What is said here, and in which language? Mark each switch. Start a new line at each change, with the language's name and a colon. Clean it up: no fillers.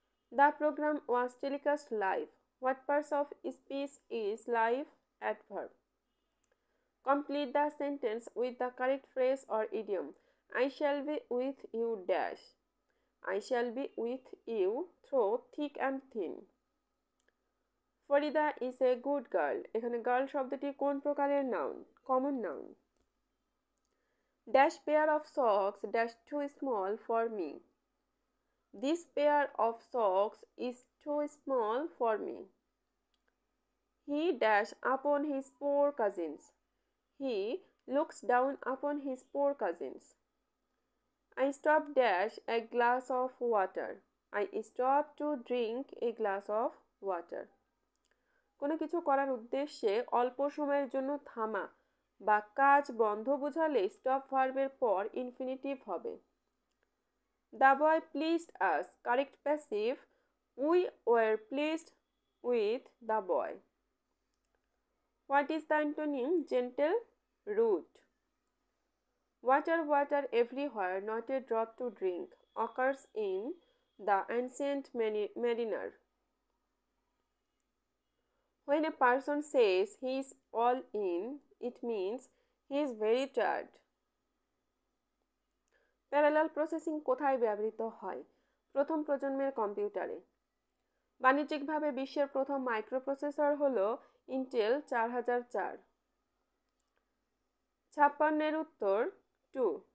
English: The program was telecast live. What part of speech is live? Adverb. Complete the sentence with the correct phrase or idiom. I shall be with you dash. I shall be with you through thick and thin. Farida is a good girl.
Bangla: এখানে girl শব্দটি কোন প্রকারের noun?
English: Common noun. Dash pair of socks dash too small for me. This pair of socks is too small for me. He dash upon his poor cousins. He looks down upon his poor cousins. I stop dash a glass of water. I stop to drink a glass of water.
Bangla: কোনো কিছু করার উদ্দেশ্যে অল্প সময়ের জন্য থামা বা কাজ বন্ধ বোঝালে স্টপ ভার্বের পর ইনফিনিটিভ হবে।
English: The boy pleased us, correct passive, we were pleased with the boy. What is the antonym gentle? Rude. Water, water everywhere, not a drop to drink, occurs in the ancient mariner. When a person says he is all in, it means he is very tired.
Bangla: Parallel processing কোথায় ব্যবহৃত হয়? প্রথম প্রজন্মের কম্পিউটারে। বাণিজ্যিকভাবে বিশ্বের প্রথম microprocessor হলো ইন্টেল 4004। 56-এর উত্তর 2।